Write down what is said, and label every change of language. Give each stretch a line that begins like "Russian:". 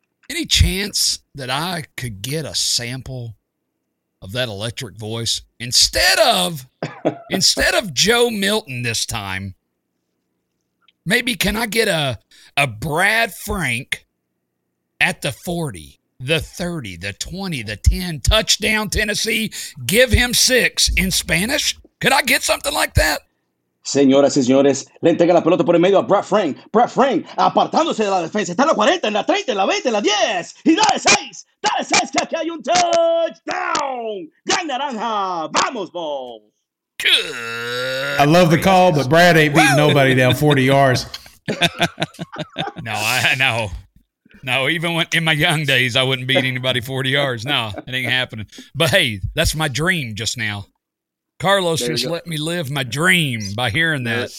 English: Any chance that I could get a sample of that electric voice instead of Joe Milton this time? Maybe can I get a Brad Frank at the 40? The 30, the 20, the 10, touchdown Tennessee, give him 6 in Spanish? Could I get something like that?
Spanish: Señoras y señores, le entrega la pelota por el medio a Brad Frank. Brad Frank, apartándose de la defensa, está en la 40, en la 30, en la 20, en la 10, y dale 6, dale 6, que aquí hay un touchdown. Gran naranja, vamos, Vols.
English: Good. I love the call, but Brad ain't beating nobody down 40 yards. No, I know. No, even when, in my young days, I wouldn't beat anybody 40 yards. No, it ain't happening. But hey, that's my dream just now. Carlos just let me live my dream by hearing that.